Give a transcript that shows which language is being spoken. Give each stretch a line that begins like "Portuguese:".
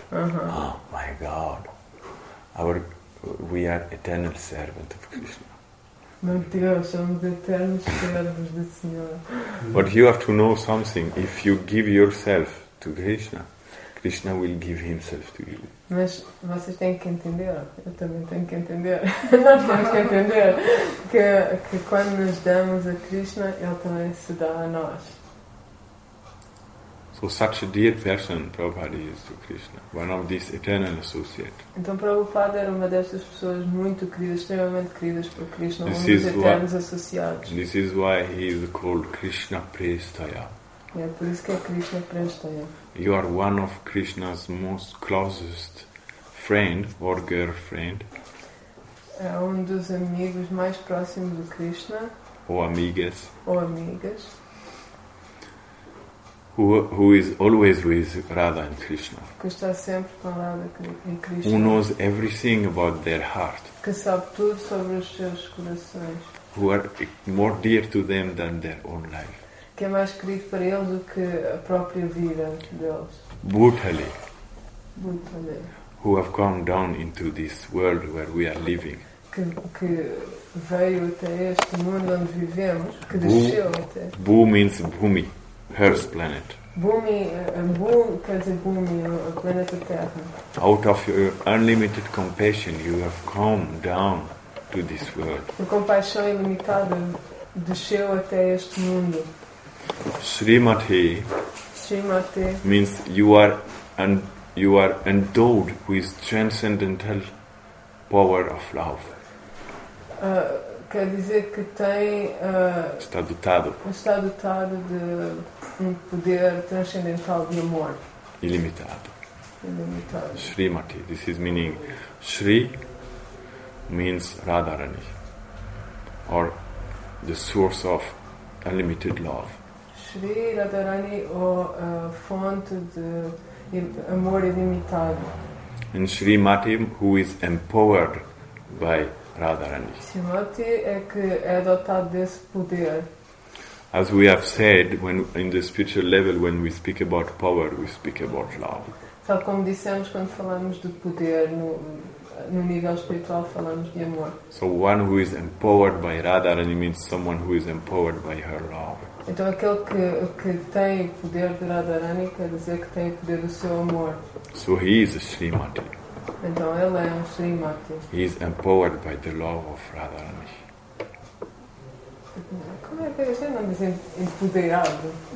English: Oh my God, we are eternal servant of Krishna.
Portuguese: Meu Deus, somos eternos servos do Senhor.
English: But you have to know something. If you give yourself to Krishna, Krishna will give himself to you.
Portuguese: Mas vocês têm que entender, eu também tenho que entender, nós temos que entender que quando nos damos a Krishna, ele também se dá a nós.
English: So such a dear person Prabhupada is to Krishna, one of these eternal associates.
Portuguese: Então Prabhupada era uma destas pessoas muito queridas, extremamente queridas por Krishna, this um dos eternos associados.
English: This is why he is called Krishna Prestaya.
Portuguese: É por isso que é Krishna Prestaya.
English: You are one of Krishna's most closest friend or girlfriend.
Portuguese: É um dos amigos mais próximos de Krishna. Ou amigas. Ou amigas.
English: Who is always with Radha and Krishna.
Portuguese: Que está sempre com Radha e Krishna.
English: Who knows everything about their heart.
Portuguese: Que sabe tudo sobre os seus corações.
English: Who are more dear to them than their own life.
Portuguese: Que é mais querido para eles do que a própria vida deles.
Sanskrit: Bhutale. Bhutale.
English: Who have come down into this world where we are living.
Portuguese: Que veio até este mundo onde vivemos, que desceu até.
English: Bhu means Bhumi, Earth planet.
Portuguese: Bhumi, Bhu quer dizer Bhumi, o planeta Terra.
English: Out of your unlimited compassion, you have come down to this world.
Portuguese: A compaixão ilimitada desceu até este mundo.
English: Srimati means you are endowed with transcendental power of love.
Portuguese: Quer dizer que tem está dotado. Está dotado de um poder transcendental de amor. Ilimitado. Ilimitado.
English: Srimati, this is meaning Sri means Radharani or the source of unlimited love.
Portuguese: Shri Radharani, ou fonte de amor ilimitado.
English: And Shri Mati, who is empowered by Radharani.
Portuguese: Shri Mati é que é dotado desse poder.
English: As we have said, when in the spiritual level, when we speak about power, we speak about love.
Portuguese: Tal como dissemos quando falamos de poder, no nível espiritual falamos de amor.
English: So one who is empowered by Radharani means someone who is empowered by her love.
Portuguese: Então aquele que tem o poder de Radharani quer dizer que tem o poder do seu amor.
English: So he is a Srimati.
Portuguese: Então ele é um Srimati.
English: He is empowered by the love of Radharani.
Portuguese: Como é que é o nome de empoderado?